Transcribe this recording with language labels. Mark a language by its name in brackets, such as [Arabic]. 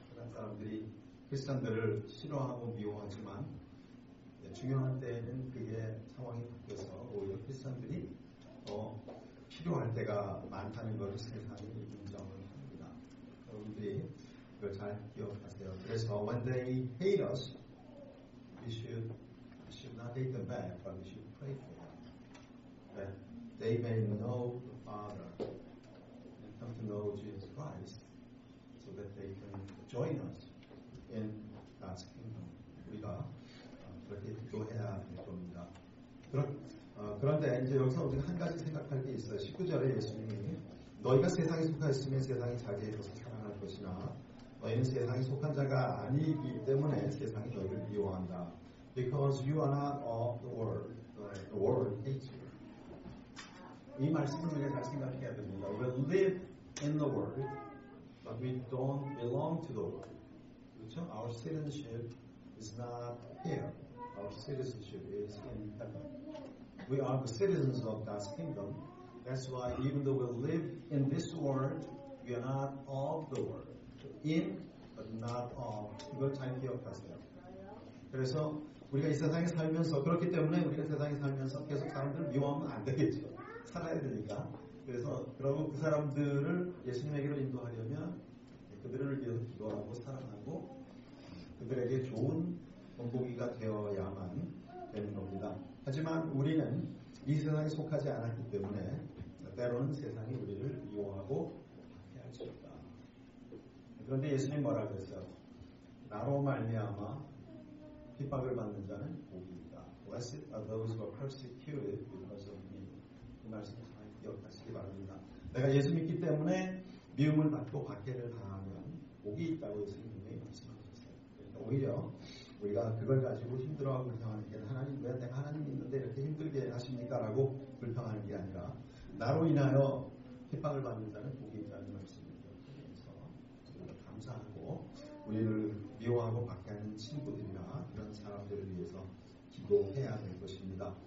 [Korean] 그런 사람들이 크리스천들을 싫어하고 미워하지만 네, 중요한 때에는 그게 상황이 바뀌어서 오히려 크리스천들이 더 필요할 때가 많다는 것을 세상이 인정을 합니다. 여러분들이 그걸 잘 기억하세요. 그래서 [English] when they hate us, we should not hate them back, but we should pray for them. They may know the Father and come to know Jesus Christ so that they can join us in God's kingdom. [Korean] 우리가 그렇게 기도해야 될 겁니다. 그런데 이제 여기서 우리가 한 가지 생각할 게 있어요. 19절에 예수님이 너희가 세상에 속하였으면 세상이 자기에게서 사랑할 것이나 너희는 세상에 속한 자가 아니기 때문에 세상이 너희를 미워한다. [English] Because you are not of the world. The world hates you. [Korean] 이 말씀을 우리가 다시 생각해야 됩니다. [English] We live in the world, but we don't belong to the world. [Korean] 그렇죠? [English] Our citizenship is not here. Our citizenship is in heaven. We are the citizens of God's kingdom. That's why even though we live in this world, we are not of the world. In, but not of. [Korean] 이걸 잘 기억하세요. 그래서 우리가 이 세상에 살면서 그렇기 때문에 우리가 세상에 살면서 계속 사람들을 미워하면 안 되겠죠. 살아야 되니까. 그래서 그러고 그 사람들을 예수님에게로 인도하려면 그들을 위해서 기도하고 사랑하고 그들에게 좋은 본보기가 되어야만 되는 겁니다. 하지만 우리는 이 세상에 속하지 않았기 때문에 때로는 세상이 우리를 미워하고 박해할 수 있다. 그런데 예수님 뭐라고 그랬어요? 나로 말미암아 핍박을 받는 자는 복입니다. [English] Blessed are those who are persecuted because of me. [Korean] 그 말씀을 잘 기억하시기 바랍니다. 내가 예수 믿기 때문에 미움을 받고 박해를 당하면 복이 있다고 예수님이 말씀하셨어요. 그러니까 오히려 우리가 그걸 가지고 힘들어하고 불평하는 게 하나님 왜 내가 하나님 있는데 이렇게 힘들게 하십니까? 라고 불평하는 게 아니라 나로 인하여 핍박을 받는 자는 복이 있다는 말씀을 기억하면서 감사하고 우리를 미워하고 박해하는 친구들이나 이런 사람들을 위해서 기도해야 될 것입니다.